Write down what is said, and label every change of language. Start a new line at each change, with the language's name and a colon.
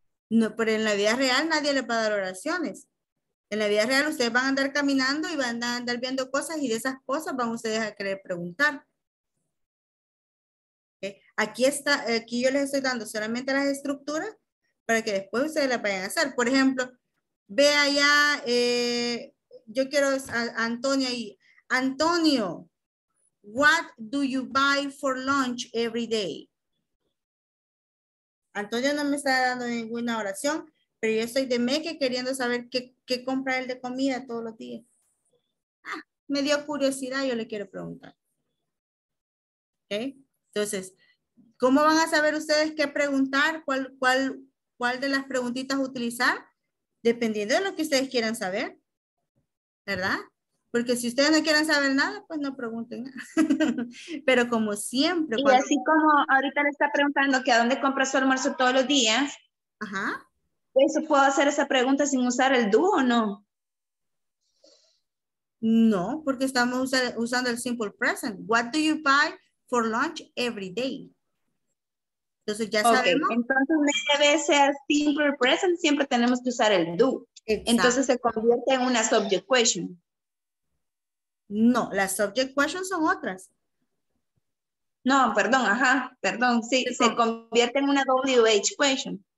Spanish: No, pero en la vida real nadie le va a dar oraciones. En la vida real ustedes van a andar caminando y van a andar viendo cosas y de esas cosas van ustedes a querer preguntar. Aquí está, aquí yo les estoy dando solamente las estructuras para que después ustedes las vayan a hacer. Por ejemplo, ve allá, yo quiero a Antonio ahí.
English: Antonio, what do you buy for lunch every day?
Spanish: Antonio no me está dando ninguna oración, pero yo estoy de meque queriendo saber qué compra él de comida todos los días. Ah, me dio curiosidad, yo le quiero preguntar. ¿Ok? Entonces, ¿cómo van a saber ustedes qué preguntar? ¿Cuál de las preguntitas utilizar? Dependiendo de lo que ustedes quieran saber. ¿Verdad? Porque si ustedes no quieren saber nada, pues no pregunten nada. Pero como siempre... Y cuando... así como ahorita le está preguntando que a dónde compra su almuerzo todos los días. Ajá. ¿Eso puedo hacer esa pregunta sin usar el do o no? No, porque estamos usando el simple present.
English: What do you buy for lunch every day?
Spanish: Entonces ya sabemos. Okay. Entonces me debe ser simple present, siempre tenemos que usar el do. Exacto. Entonces se convierte en una subject question. No, las subject questions son otras. No, perdón, ajá, perdón, sí, ¿cómo? Se convierte en una WH question.